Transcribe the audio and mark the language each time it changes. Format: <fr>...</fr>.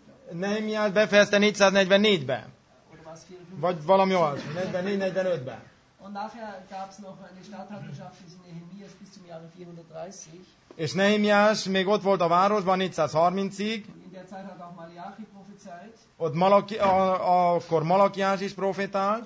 <hu>Nehemiás befejezte 444-ben, vagy valami olyan, 44-45-ben.</hu> <de>Und nachher gab es noch eine Stadthalterschaft in Nehemias bis zum Jahre 430.</de> <hu>És Nehemiás még ott volt a városban 430-ig.</hu> <de>In der Zeit hat auch Malachi prophezeit.</de> <hu>Ott akkor Malachiás is profétált.</hu>